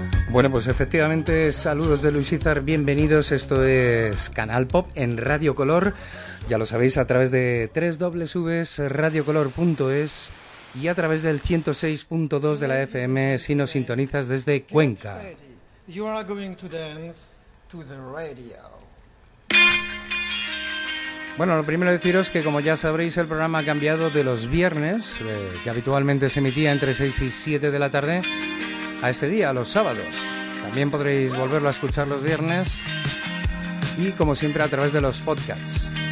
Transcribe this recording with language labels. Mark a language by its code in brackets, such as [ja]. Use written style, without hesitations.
[es] Bueno, pues efectivamente, saludos de Luis Izar, bienvenidos, esto es Canal Pop en Radio Color. Ya lo sabéis, a través de www.radiocolor.es y a través del 106.2 de la FM, si nos sintonizas desde Cuenca. [en] You are going to dance to the radio. [es] Bueno, lo primero deciros que, como ya sabréis, el programa ha cambiado de los viernes, que habitualmente se emitía entre 6 y 7 de la tarde, a este día, a los sábados. También podréis volverlo a escuchar los viernes y, como siempre, a través de los podcasts.